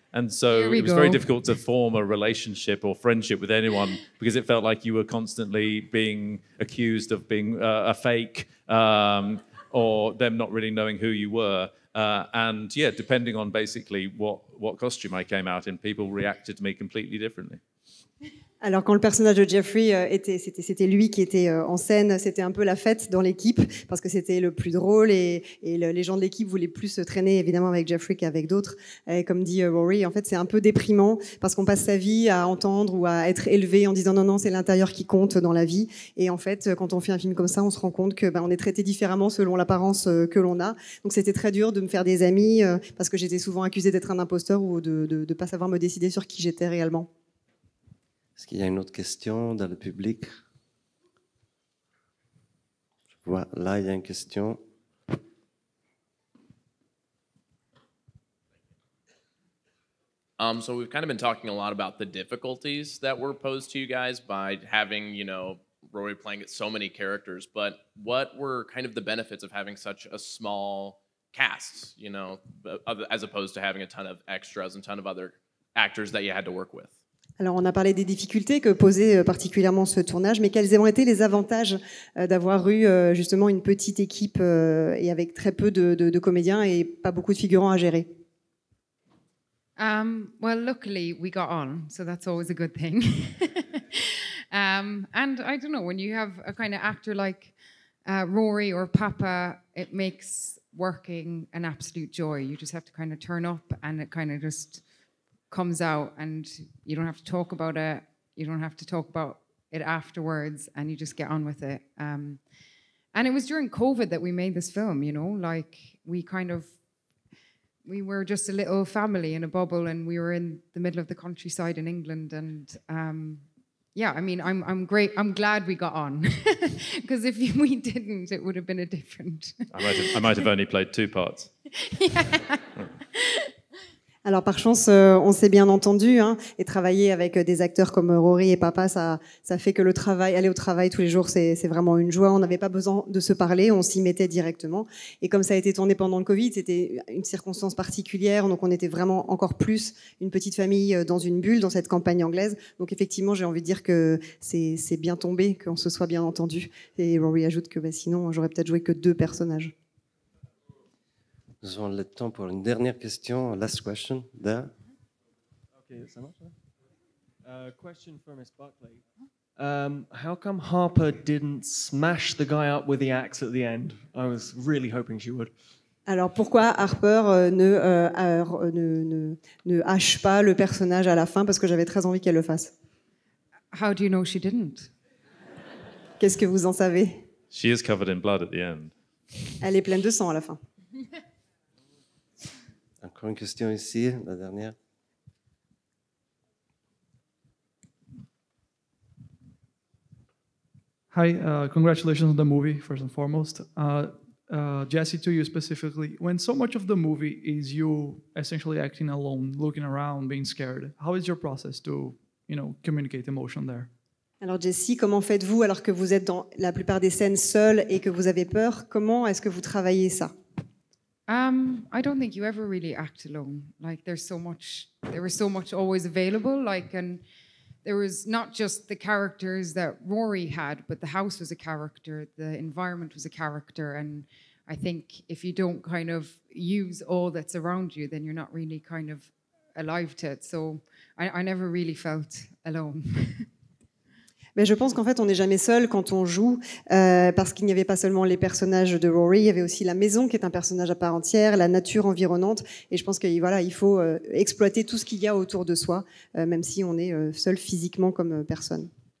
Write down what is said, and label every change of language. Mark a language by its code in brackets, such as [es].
[en] And so it was very difficult to form a relationship or friendship with anyone because it felt like you were constantly being accused of being a fake or them not really knowing who you were. Depending on basically what costume I came out in, people reacted to me completely differently. [fr] Alors quand le personnage de Jeffrey était, c'était lui qui était en scène, c'était un peu la fête dans l'équipe parce que c'était le plus drôle et les gens de l'équipe voulaient plus se traîner évidemment avec Jeffrey qu'avec d'autres. Et comme dit Rory, en fait c'est un peu déprimant parce qu'on passe sa vie à entendre ou à être élevé en disant non, c'est l'intérieur qui compte dans la vie. Et en fait quand on fait un film comme ça, on se rend compte que on est traité différemment selon l'apparence que l'on a. Donc c'était très dur de me faire des amis parce que j'étais souvent accusée d'être un imposteur ou de pas savoir me décider sur qui j'étais réellement. Est-ce qu'il y a une autre question dans le public? Je vois, là, il y a une question. [en] So we've kind of been talking a lot about the difficulties that were posed to you guys by having, you know, Rory playing so many characters, but what were kind of the benefits of having such a small cast, you know, as opposed to having a ton of extras and a ton of other actors that you had to work with? [fr] Alors, on a parlé des difficultés que posait particulièrement ce tournage, mais quels ont été les avantages d'avoir eu justement une petite équipe et avec très peu de comédiens et pas beaucoup de figurants à gérer? [en] Well, luckily, we got on, so that's always a good thing. and I don't know, when you have a kind of actor like Rory or Papa, it makes working an absolute joy. You just have to kind of turn up and it kind of just comes out, and you don't have to talk about it, you don't have to talk about it afterwards, and you just get on with it. And it was during COVID that we made this film, you know, like we were just a little family in a bubble, and we were in the middle of the countryside in England, and I'm glad we got on, because if we didn't, it would have been a different... I might have only played two parts. [fr] Alors, par chance, on s'est bien entendu, hein, et travailler avec des acteurs comme Rory et Papa, ça fait que le travail, aller au travail tous les jours, c'est vraiment une joie. On n'avait pas besoin de se parler, on s'y mettait directement. Et comme ça a été tourné pendant le Covid, c'était une circonstance particulière, donc on était vraiment encore plus une petite famille dans une bulle, dans cette campagne anglaise. Donc effectivement, j'ai envie de dire que c'est bien tombé, qu'on se soit bien entendu. Et Rory ajoute que sinon, j'aurais peut-être joué que deux personnages. Nous avons le temps pour une dernière question. [en] Last question, Da. Okay, [fr] ça marche. [en] Question for Miss Buckley. How come Harper didn't smash the guy up with the axe at the end? I was really hoping she would. [fr] Alors pourquoi Harper ne hache pas le personnage à la fin, parce que j'avais très envie qu'elle le fasse. [en] How do you know she didn't? [fr] Qu'est-ce que vous en savez? [en] She is covered in blood at the end. [fr] Elle est pleine de sang à la fin. Encore une question ici, la dernière. [en] Hi, congratulations on the movie, first and foremost. Jesse, to you specifically, when so much of the movie is you essentially acting alone, looking around, being scared, how is your process to, you know, communicate emotion there? [fr] Alors Jesse, comment faites-vous alors que vous êtes dans la plupart des scènes seul et que vous avez peur? Comment est-ce que vous travaillez ça? [en] I don't think you ever really act alone. Like there was so much always available. Like, and there was not just the characters that Rory had, but the house was a character, the environment was a character. And I think if you don't kind of use all that's around you, then you're not really kind of alive to it. So I never really felt alone. [fr] Mais je pense qu'en fait, on n'est jamais seul quand on joue, parce qu'il n'y avait pas seulement les personnages de Rory, il y avait aussi la maison qui est un personnage à part entière, la nature environnante, et je pense que voilà, il faut exploiter tout ce qu'il y a autour de soi, même si on est seul physiquement comme personne.